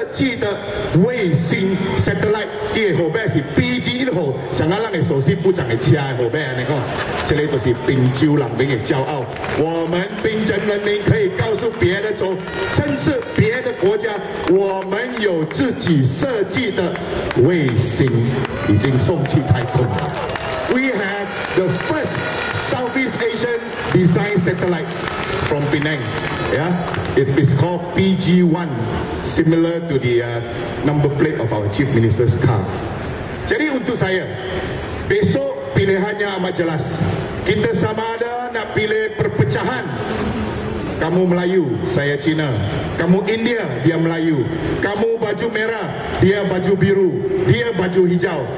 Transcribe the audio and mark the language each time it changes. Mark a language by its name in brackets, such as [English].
[Chinese] 国际的卫星 satellite 的号码是 BG 号像阿拉的首席部长的车的号码，这里都是槟城人民的骄傲。我们槟城人民可以告诉别的州，甚至别的国家，我们有自己设计的卫星，已经送去太空了。 [English] We have the first Southeast Asian design satellite from Penang. Yeah, it's called PG1, similar to the number plate of our Chief Minister's car. [Malay] Jadi untuk saya, besok pilihannya amat jelas. Kita sama ada nak pilih perpecahan. Kamu Melayu, saya Cina. Kamu India, dia Melayu. Kamu baju merah, dia baju biru. Dia baju hijau.